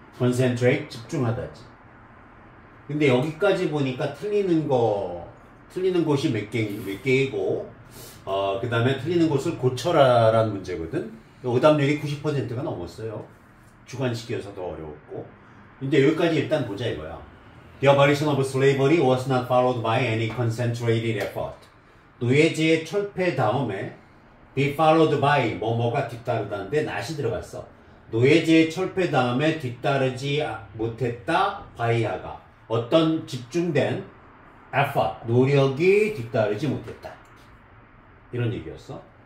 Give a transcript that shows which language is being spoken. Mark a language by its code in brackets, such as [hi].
[ko] concentrate 집중하다지. 근데 여기까지 보니까 틀리는 곳이 몇 개이고 그 다음에 틀리는 곳을 고쳐라라는 문제거든. 오답률이 90%가 넘었어요. 주관식이어서도 어려웠고. 근데 여기까지 일단 보자 이거야. [en] The abolition of slavery was not followed by any concentrated effort. [ko] 노예제의 철폐 다음에 [en] be followed by [ko] 뭐뭐가 뒤따르다는데 not이 들어갔어. 노예제의 철폐 다음에 뒤따르지 못했다 바이아가 어떤 집중된 effort 노력이 뒤따르지 못했다 이런 얘기였어.